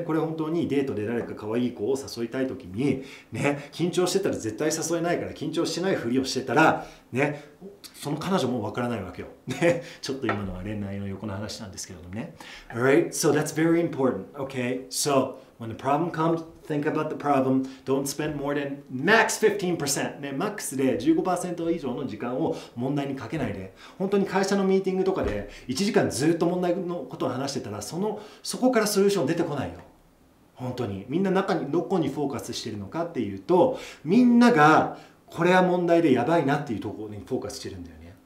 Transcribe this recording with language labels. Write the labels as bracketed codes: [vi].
[ja] これ本当にデートで誰か可愛い子を誘いたい時にね、緊張してたら絶対誘えないから、緊張してないふりをしてたらね、その彼女もわからないわけよ、ね、ちょっと今のは恋愛の横の話なんですけどもね。 [en] Alright, so that's very important. Okay, so when the problem comes, Think about the problem. Don't spend more than max 15%. [ja] ね、マックスで 15% 以上の時間を問題にかけないで。本当に会社のミーティングとかで1時間ずっと問題のことを話してたら、そこからソリューション出てこないよ。本当に。みんな中にどこにフォーカスしてるのかっていうと、みんながこれは問題でやばいなっていうところにフォーカスしてるんだよね。